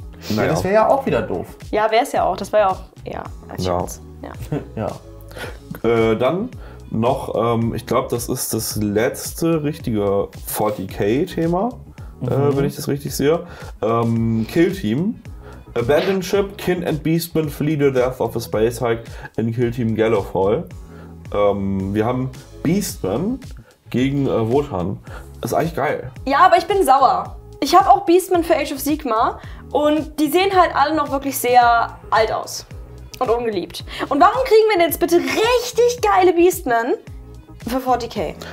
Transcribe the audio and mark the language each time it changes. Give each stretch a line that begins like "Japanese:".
German: Naja. Ja, das wäre ja auch wieder doof. Ja, wäre es ja auch. Das wäre ja auch eher als Ja. Dann noch, ich glaube, das ist das letzte richtige 40k-Thema, wenn ich das richtig sehe.
English: Kill Team. Abandon Ship, Kin and Beastman flee the death of a space hike in Kill Team Gallowfall.
German: Wir haben Beastman gegen Wotan. Das ist eigentlich geil. Ja, aber ich bin sauer. Ich habe auch Beastman für Age of Sigmar und die sehen halt alle noch wirklich sehr alt aus und ungeliebt. Und warum kriegen wir denn jetzt bitte richtig geile Beastman für 40k?